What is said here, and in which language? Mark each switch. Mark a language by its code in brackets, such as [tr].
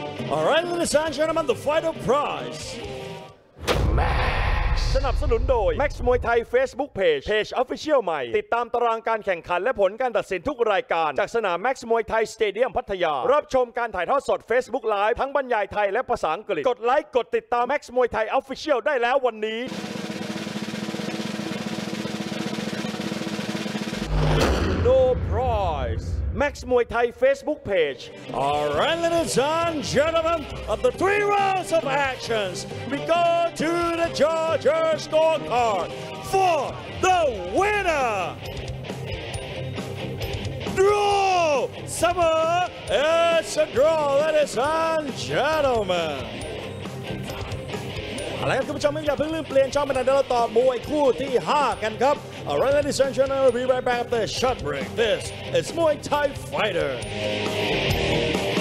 [en] Alright ladies and gentlemen the final prize [th] สนับสนุนโดย Max Muay Thai Facebook Page Official ใหม่ติดตามตารางการแข่งขันและผลการตัดสินทุกรายการจากสนาม Max Muay Thai Stadium พัทยารับชมการถ่ายทอดสด Facebook Live ทั้งบรรยายไทยและภาษาอังกฤษกดไลค์กดติดตาม Max Muay Thai Official ได้แล้ววันนี้ No PrizeMax Muay Thai Facebook page. [en] Alright, ladies and gentlemen, of the three rounds of actions, we go to the judges' scorecard for the winner. Draw! Summer, it's a draw, ladies and gentlemen. [th] อะไรครับคุณผู้ชมไม่อย่าเพิ่งลืมเปลี่ยนช่องไปนะเดี๋ยวเราต่อมวยคู่ที่5กันครับ [en] Alright ladies and gentlemen we'll be right back after the short break. This is Muay Thai Fighter